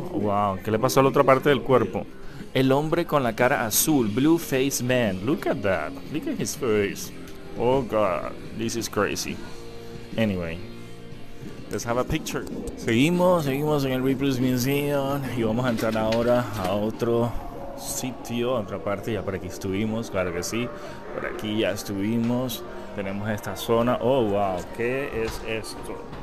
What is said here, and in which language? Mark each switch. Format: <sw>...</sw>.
<es>Wow, ¿qué le pasó a la otra parte del cuerpo? El hombre con la cara azul, Blue Face Man.</es> <en>Look at that. Look at his face. Oh God, this is crazy. Anyway, let's have a picture.</en> <es>Seguimos en el Ripley's Museum y vamos a entrar ahora a otro sitio, a otra parte. Ya por aquí estuvimos, claro que sí. Por aquí ya estuvimos. Tenemos esta zona.</es> <en>Oh wow,</en> <es>¿qué es esto?</es>